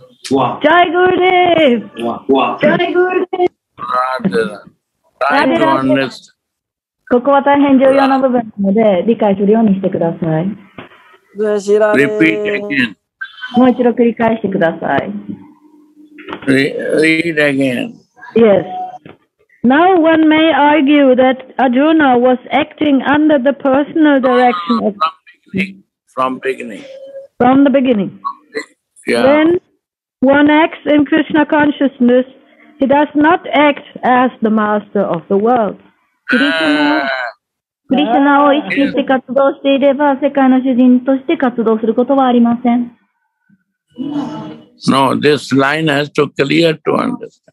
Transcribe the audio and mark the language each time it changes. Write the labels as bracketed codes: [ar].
[en] Jai Gurudev! Jai Gurudev! [ja] ここは大変重要な部分なので、理解するようにしてください。 [en] Repeat again. [ja] もう一度繰り返してください。 [en] Read again. Yes. Now one may argue that Arjuna was acting under the personal direction of from the beginning. Yeah. When one acts in Krishna consciousness, he does not act as the master of the world. [ja] Krishna を意識して活動していれば、世界の主人として活動することはありません。 [en] No, this line has to clear to understand.